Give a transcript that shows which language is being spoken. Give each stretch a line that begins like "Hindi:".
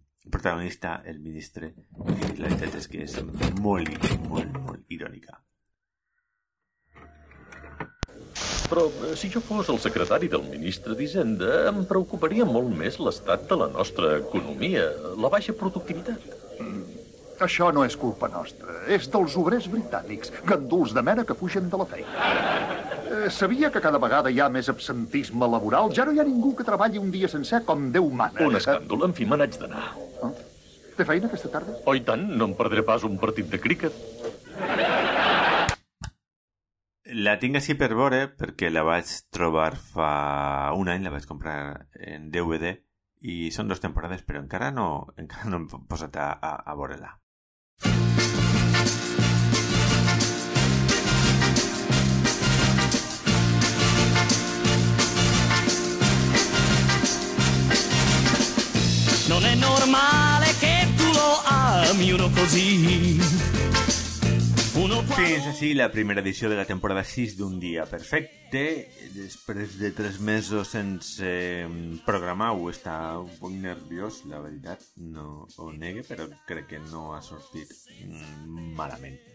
Spanish: protagonista, el ministre, y la verdad es que es muy, muy, muy irónica.
Catalan: Però si jo fos el secretari del ministre d'Hisenda, em preocuparia molt més l'estat de la nostra economia, la baixa productivitat. Això no és culpa nostra. És dels obrers britànics, ganduls de mena que fugen de la feina. Sabia que cada vegada hi ha més absentisme laboral? Ja no hi ha ningú que treballi un dia sencer com Déu mana. Un escàndol. En fi, me n'haig d'anar. Oh? Té feina aquesta tarda? Oh, i tant. No em perdré pas un partit de críquet. La tinc així per veure, perquè la vaig trobar fa un any, la vaig comprar en DVD, i són dues temporades, però encara no em he posat a veure-la.
Italian: Non è normale che tu lo ami uno così.
Catalan: Fins així la primera edició de la temporada 6 d'Un dia perfecte. Després de 3 mesos sense programar, ho està un poc nerviós, la veritat, no ho negue, però crec que no ha sortit malament.